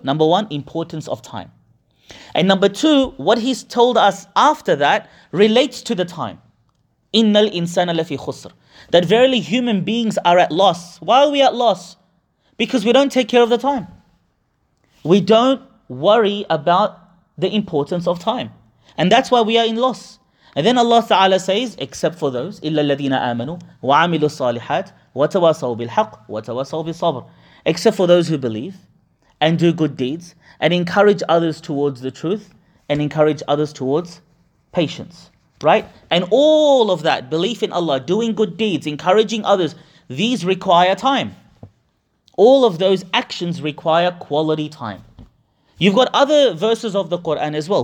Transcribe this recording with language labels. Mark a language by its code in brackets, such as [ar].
[en] Number one, importance of time. And number two, what he's told us after that relates to the time. [ar] Innal insana lafi khusr. [en] That verily human beings are at loss. Why are we at loss? Because we don't take care of the time. We don't worry about the importance of time. And that's why we are in loss. And then Allah Ta'ala says, except for those, [ar] إِلَّا الَّذِينَ آمَنُوا وَعَمِلُوا الصَّالِحَاتِ وَتَوَاصَوْا بِالْحَقِّ وَتَوَاصَوْا بِالصَّبْرِ. [en] Except for those who believe and do good deeds and encourage others towards the truth and encourage others towards patience. Right? And all of that, belief in Allah, doing good deeds, encouraging others, these require time. All of those actions require quality time. You've got other verses of the Quran as well.